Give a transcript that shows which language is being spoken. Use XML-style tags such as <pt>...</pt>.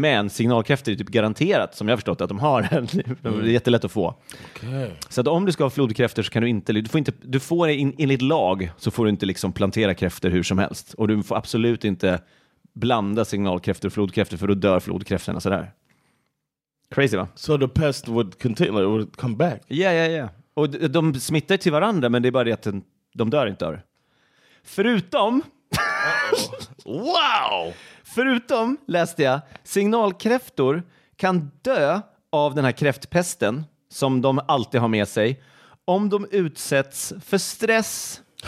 <sv>Men signalkräfter är typ garanterat, som jag har förstått, att de har den. Det är jättelätt att få.</sv> <en>Okay.</en> <sv>Så att om du ska ha flodkräfter så kan du inte... Enligt lag så får du inte liksom plantera kräfter hur som helst. Och du får absolut inte blanda signalkräfter och flodkräfter, för då dör flodkräfterna sådär.</sv> <en>Crazy,</en> <sv>va?</sv> <en>So the pest would continue, it would come back. Yeah, yeah, yeah.</en> <sv>Och de smittar till varandra, men det är bara det att de dör inte. Förutom...</sv> <en>Wow!</en> <sv>Förutom, läste jag, signalkräftor kan dö av den här kräftpesten som de alltid har med sig om de utsätts för stress.</sv>